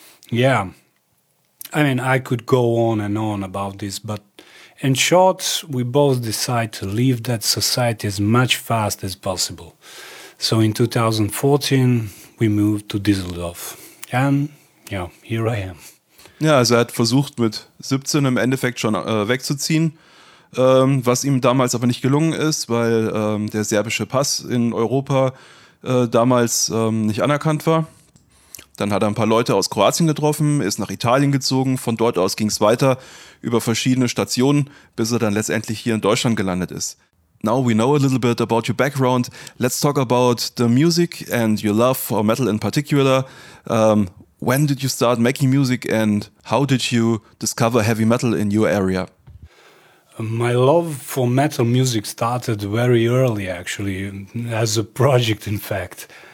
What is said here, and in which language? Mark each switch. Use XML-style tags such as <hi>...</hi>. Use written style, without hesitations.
<en>Yeah, I mean, I could go on and on about this, but in short, we both decide to leave that society as much fast as possible. So in 2014, we moved to Düsseldorf. And yeah, here I am.</en> <de>Ja, also er hat versucht, mit 17 im Endeffekt schon wegzuziehen, was ihm damals aber nicht gelungen ist, weil der serbische Pass in Europa damals nicht anerkannt war. Dann hat er ein paar Leute aus Kroatien getroffen, ist nach Italien gezogen. Von dort aus ging es weiter über verschiedene Stationen, bis er dann letztendlich hier in Deutschland gelandet ist.</de> <en>Now we know a little bit about your background. Let's talk about the music and your love for metal in particular. When did you start making music and how did you discover heavy metal in your area? My love for metal music started very early, actually, as a project, in fact.</en>